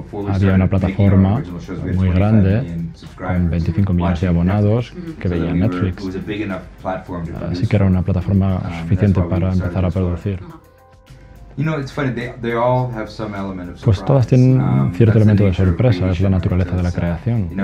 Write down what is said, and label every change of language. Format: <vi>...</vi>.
<es>Había una plataforma muy grande con 25 millones de abonados que veían Netflix. Así que era una plataforma suficiente para empezar a producir.</es> <en>You know, it's funny, they all have some element of surprise.</en> <es>Pues todas tienen cierto elemento de sorpresa, es la naturaleza de la creación.</es>